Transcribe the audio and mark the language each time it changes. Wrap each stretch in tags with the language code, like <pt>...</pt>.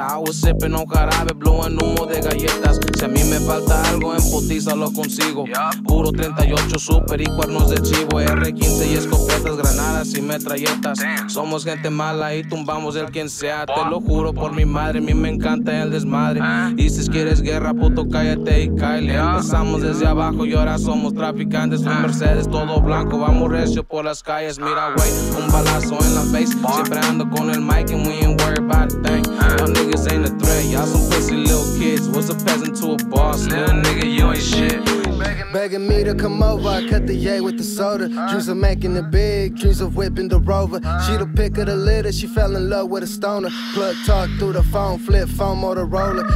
<en>I was sipping on jarabe, blowing</en> <es>humo de galletas. Si a mí me falta algo, en putiza lo consigo. Puro 38 super y cuernos de chivo. R15 y escopetas, granadas y metralletas. Somos gente mala y tumbamos el quien sea. Te lo juro por mi madre, a mí me encanta el desmadre. Y si quieres guerra, puto, cállate y cállate. Empezamos desde abajo y ahora somos traficantes. Eres todo blanco, vamos recio por las calles. Mira, güey, un balazo en la face. Siempre ando con el mic</es> <en>and we ain't worried about a thing. Y'all niggas ain't a threat, y'all some pussy little kids. What's a peasant to a boss? Little nigga, you ain't shit. Begging me to come over, I cut the yay with the soda. Dreams of making it big, dreams of whipping the Rover. She the pick of the litter, she fell in love with a stoner. Plug talk through the phone, flip phone, Motorola.</en>